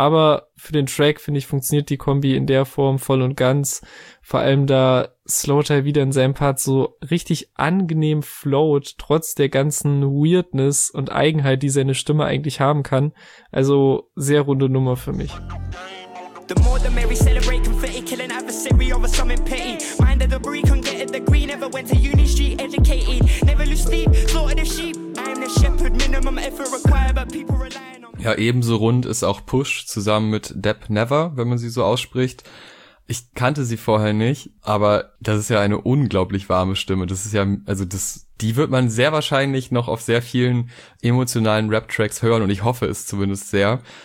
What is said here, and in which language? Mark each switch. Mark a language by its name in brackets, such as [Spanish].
[German] Aber für den Track, finde ich, funktioniert die Kombi in der Form voll und ganz. Vor allem da Slaughter wieder in seinem Part so richtig angenehm float, trotz der ganzen Weirdness und Eigenheit, die seine Stimme eigentlich haben kann. Also sehr runde Nummer für mich. [English] The more the merry celebrate confetti, killing adversary over something petty. Mind the debris, can't get it, the green never went to uni street educated. Never lose sleep, slaughter the sheep. I am the shepherd, minimum effort required, but people rely. [German] Ja, ebenso rund ist auch Push zusammen mit Depp Never, wenn man sie so ausspricht. Ich kannte sie vorher nicht, aber das ist ja eine unglaublich warme Stimme. Das ist ja, also das, die wird man sehr wahrscheinlich noch auf sehr vielen emotionalen Rap-Tracks hören und ich hoffe es zumindest sehr.